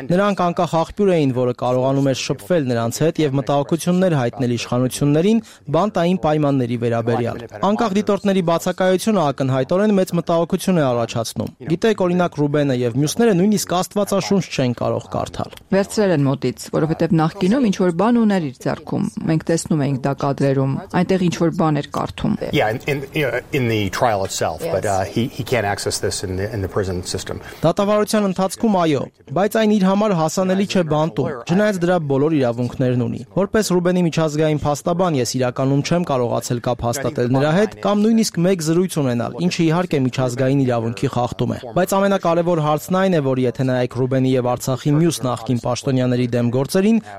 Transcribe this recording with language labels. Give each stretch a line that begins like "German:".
Armenian: Նրանք անկախ աղբյուր էին, որը կարողանում էր շփվել նրանց հետ եւ մտահոգություններ հայտնել իշխանություններին բանտային պայմանների վերաբերյալ։ Անկախ դիտորդների բացակայությունը ակնհայտորեն մեծ մտահոգություն է առաջացնում։ Գիտեք, օրինակ Ռուբենը եւ մյուսները նույնիսկ աստվածաշունչ չեն կարող կարդալ։ Վերցրել են մոտից, որովհետեւ նախկինում ինչ որ բան ուներ իր ձեռքում։ Մենք տեսնում էինք դա կադրերում։ Այնտեղ ինչ որ բան կարդում։
English: Yeah, in the trial itself, yes. But he can't access this in the prison system.
Armenian: Դատավարության ընթացքում այո, բայց այն իր համար հասանելի չէ բանտում, չնայած դրա բոլոր իրավունքներն ունի։ Որպես Ռուբենի միջազգային փաստաբան ես իրականում չեմ կարողացել կապ հաստատել նրա հետ կամ նույնիսկ մեկ զրույց ունենալ, ինչը իհարկե միջազգային իրավունքի խախտում է։ Բայց ամենակարևոր հարցն այն է, որ եթե նայեք Ռուբենի եւ Արցախի մյուս նախկին պաշտոնյաների դեմ գործերին,